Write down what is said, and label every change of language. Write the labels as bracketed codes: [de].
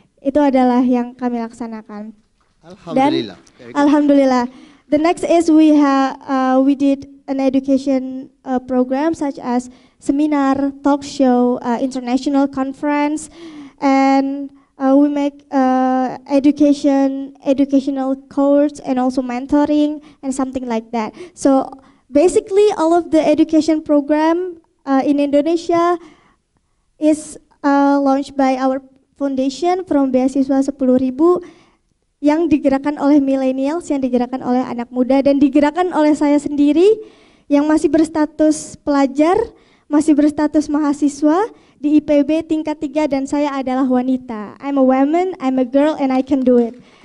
[id] Itu adalah yang kami laksanakan. Alhamdulillah. Dan, alhamdulillah. [en] The next is we did an education program such as seminar, talk show, international conference, and we make educational course and also mentoring and something like that. So basically all of the education program in Indonesia is launched by our foundation from [id] beasiswa 10.000 yang digerakkan oleh millennials, yang digerakkan oleh anak muda, dan digerakkan oleh saya sendiri yang masih berstatus pelajar, masih berstatus mahasiswa di IPB tingkat 3, dan saya adalah wanita. [en] I'm a woman, I'm a girl, and I can do it.